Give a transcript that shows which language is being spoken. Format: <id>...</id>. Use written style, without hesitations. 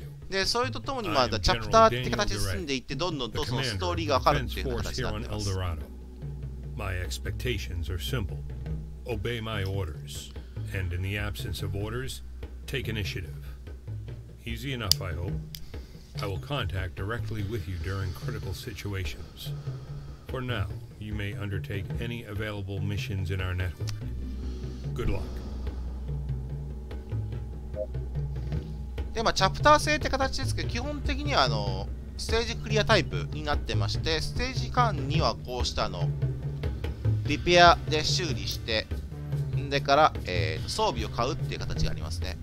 <ja>でそれとともに、まあ、チャプターって形で進んでいって、どんどんとそのストーリーが分かるっていう形になってます。</ja> <en>My expectations are simple. Obey my orders. And in the absence of orders, take initiative. Easy enough, I hope. I will contact directly with you during critical situations. For now, you may undertake any available missions in our network. Good luck.</en> <ja>で、まあ、チャプター制って形ですけど、基本的にはあのステージクリアタイプになってまして、ステージ間にはこうしたのリペアで修理して、でから、装備を買うっていう形がありますね。</ja>